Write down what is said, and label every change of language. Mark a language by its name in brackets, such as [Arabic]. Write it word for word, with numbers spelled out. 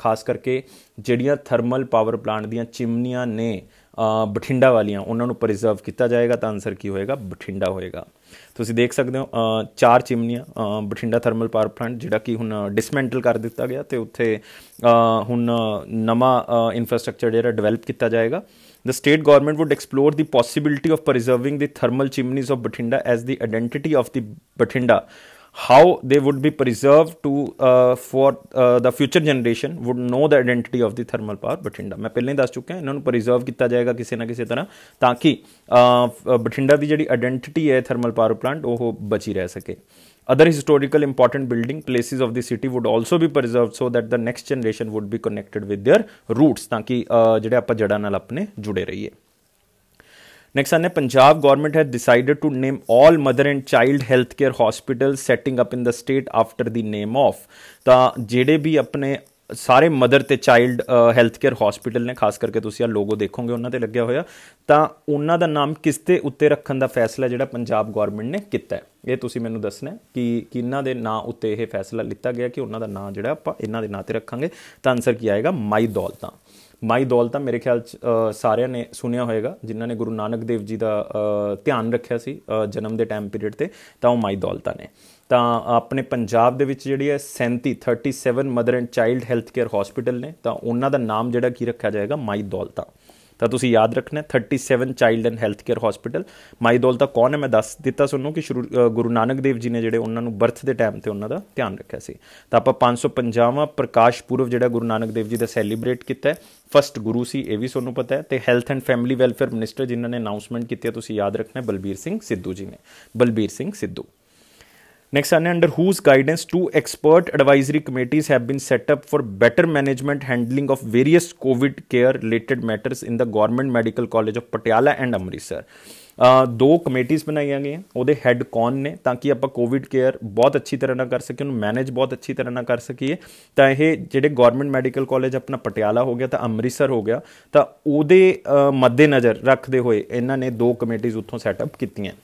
[Punjabi] ਖਾਸ ਕਰਕੇ ਜਿਹੜੀਆਂ ਥਰਮਲ ਪਾਵਰ ਪਲਾਂਟ ਦੀਆਂ ਚਿਮਨੀਆਂ ਨੇ ਬਠਿੰਡਾ ਵਾਲੀਆਂ, ਉਹਨਾਂ ਨੂੰ ਪ੍ਰੀਜ਼ਰਵ ਕੀਤਾ ਜਾਏਗਾ। ਤਾਂ ਆਨਸਰ ਕੀ ਹੋਏਗਾ? ਬਠਿੰਡਾ ਹੋਏਗਾ। ਤੁਸੀਂ ਦੇਖ ਸਕਦੇ ਹੋ ਚਾਰ ਚਿਮਨੀਆਂ ਬਠਿੰਡਾ ਥਰਮਲ ਪਾਵਰ ਪਲਾਂਟ ਜਿਹੜਾ ਕਿ ਹੁਣ ਡਿਸਮੈਂਟਲ ਕਰ ਦਿੱਤਾ ਗਿਆ ਅਤੇ ਉੱਥੇ ਹੁਣ ਨਵਾਂ ਇਨਫਰਾਸਟ੍ਰਕਚਰ ਜਿਹੜਾ ਡਿਵੈਲਪ ਕੀਤਾ ਜਾਏਗਾ। [English] The state government would explore the possibility of preserving the thermal chimneys of Bathinda as the identity of the Bathinda. How they would be preserved to uh, for uh, the future generation would know the identity of the thermal power Bathinda. [Punjabi] ਮੈਂ ਪਹਿਲਾਂ ਹੀ ਦੱਸ ਚੁੱਕਿਆ, ਇਹਨਾਂ ਨੂੰ preserve ਕੀਤਾ ਜਾਏਗਾ ਕਿਸੇ ਨਾ ਕਿਸੇ ਤਰ੍ਹਾਂ, ਤਾਂ ਕਿ ਬਠਿੰਡਾ ਦੀ ਜਿਹੜੀ ਆਇਡੈਂਟਿਟੀ ਹੈ ਥਰਮਲ ਪਾਵਰ ਪਲਾਂਟ ਉਹ ਬਚੀ ਰਹਿ ਸਕੇ। [English] Other historical important building places of the city would also be preserved so that the next generation would be connected with their roots, [Punjabi] ਤਾਂ ਕਿ ਜਿਹੜੇ ਆਪਾਂ ਜੜ੍ਹਾਂ ਨਾਲ ਆਪਣੇ ਜੁੜੇ ਰਹੀਏ। [English] Next one, Punjab government has decided to name all mother and child healthcare hospitals setting up in the state after the name of, [Punjabi] ਤਾਂ ਜਿਹੜੇ ਵੀ ਆਪਣੇ ਸਾਰੇ ਮਦਰ ਤੇ ਚਾਈਲਡ ਹੈਲਥ ਕੇਅਰ ਹਸਪੀਟਲ ਨੇ, ਖਾਸ ਕਰਕੇ ਤੁਸੀਂ ਆ ਲੋਗੋ ਦੇਖੋਗੇ ਉਹਨਾਂ ਤੇ ਲੱਗਿਆ ਹੋਇਆ, ਤਾਂ ਉਹਨਾਂ ਦਾ ਨਾਮ ਕਿਸ ਦੇ ਉੱਤੇ ਰੱਖਣ ਦਾ ਫੈਸਲਾ ਜਿਹੜਾ ਪੰਜਾਬ ਗੌਰਮੈਂਟ ਨੇ ਕੀਤਾ ਹੈ, ਇਹ ਤੁਸੀਂ ਮੈਨੂੰ ਦੱਸਣਾ ਕਿ ਕਿਹਨਾਂ ਦੇ ਨਾਂ ਉੱਤੇ ਇਹ ਫੈਸਲਾ ਲਿੱਤਾ ਗਿਆ ਕਿ ਉਹਨਾਂ ਦਾ ਨਾਂ ਜਿਹੜਾ ਆਪਾਂ ਇਹਨਾਂ ਦੇ ਨਾਂ ਤੇ ਰੱਖਾਂਗੇ। ਤਾਂ ਆਨਸਰ ਕੀ ਆਏਗਾ? ਮਾਈ ਦੌਲਤਾਂ। ਮਾਈ ਦੌਲਤਾਂ ਮੇਰੇ ਖਿਆਲ 'ਚ ਅ, ਸਾਰਿਆਂ ਨੇ ਸੁਣਿਆ ਹੋਏਗਾ, ਜਿਨ੍ਹਾਂ ਨੇ ਗੁਰੂ ਨਾਨਕ ਦੇਵ ਜੀ ਦਾ ਅ, ਧਿਆਨ ਰੱਖਿਆ ਸੀ ਅ, ਜਨਮ ਦੇ ਟਾਈਮ ਪੀਰੀਅਡ ਤੇ, ਤਾਂ ਉਹ ਮਾਈ ਦੌਲਤਾਂ ਨੇ। ਤਾਂ ਆਪਣੇ ਪੰਜਾਬ ਦੇ ਵਿੱਚ ਜਿਹੜੀ ਹੈ ਸੈਂਤੀ ਸੈਂਤਾਲੀ mother and child health care hospital ਨੇ, ਤਾਂ ਉਹਨਾਂ ਦਾ ਨਾਮ ਜਿਹੜਾ ਕੀ ਰੱਖਿਆ ਜਾਏਗਾ? ਮਾਈ ਦੌਲਤਾਂ। ਤਾਂ ਤੁਸੀਂ ਯਾਦ ਰੱਖਣਾ ਸੈਂਤਾਲੀ child and health care hospital. ਮਾਈ ਦੌਲਤਾਂ ਕੌਣ ਹੈ ਮੈਂ ਦੱਸ ਦਿੱਤਾ ਤੁਹਾਨੂੰ ਕਿ ਸ਼ੁਰੂ ਅ, ਗੁਰੂ ਨਾਨਕ ਦੇਵ ਜੀ ਨੇ ਜਿਹੜੇ ਉਹਨਾਂ ਨੂੰ ਬਰਥ ਦੇ ਟਾਈਮ ਤੇ ਉਹਨਾਂ ਦਾ ਧਿਆਨ ਰੱਖਿਆ ਸੀ। ਤਾਂ ਆਪਾਂ ਪੰਜ ਸੌ ਪੰਜਾਹਵਾਂ ਪ੍ਰਕਾਸ਼ ਪੁਰਬ ਜਿਹੜਾ ਗੁਰੂ ਨਾਨਕ ਦੇਵ ਜੀ ਦਾ ਸੈਲੀਬ੍ਰੇਟ ਕੀਤਾ ਹੈ, ਫਸਟ ਗੁਰੂ ਸੀ ਇਹ ਵੀ ਤੁਹਾਨੂੰ ਪਤਾ ਹੈ, ਅਤੇ health and family welfare minister ਜਿਨ੍ਹਾਂ ਨੇ ਅਨਾਊਂਸਮੈਂਟ ਕੀਤੀ ਹੈ ਤੁਸੀਂ ਯਾਦ ਰੱਖਣਾ ਬਲਬੀਰ ਸਿੰਘ ਸਿੱਧੂ ਜੀ ਨੇ, Balbir Singh Sidhu. [English] Next, under whose guidance two expert advisory committees have been set up for better management handling of various COVID care related matters in the Government Medical College of Patiala and Amritsar. [Punjabi] ਦੋ ਕਮੇਟੀਜ਼ ਬਣਾਈਆਂ ਗਈਆਂ, ਉਹਦੇ head ਕੌਣ ਨੇ, ਤਾਂ ਕਿ ਆਪਾਂ Covid care ਬਹੁਤ ਅੱਛੀ ਤਰ੍ਹਾਂ ਨਾਲ ਕਰ ਸਕੀਏ, ਉਹਨੂੰ ਮੈਨੇਜ ਬਹੁਤ ਅੱਛੀ ਤਰ੍ਹਾਂ ਨਾਲ ਕਰ ਸਕੀਏ। ਤਾਂ ਇਹ ਜਿਹੜੇ ਗੌਰਮੈਂਟ ਮੈਡੀਕਲ ਕਾਲਜ ਆਪਣਾ ਪਟਿਆਲਾ ਹੋ ਗਿਆ ਤਾਂ ਅੰਮ੍ਰਿਤਸਰ ਹੋ ਗਿਆ, ਤਾਂ ਉਹਦੇ ਮੱਦੇਨਜ਼ਰ ਰੱਖਦੇ ਹੋਏ ਇਹਨਾਂ ਨੇ ਦੋ ਕਮੇਟੀਜ਼ ਉੱਥੋਂ ਸੈਟਅਪ ਕੀਤੀਆਂ।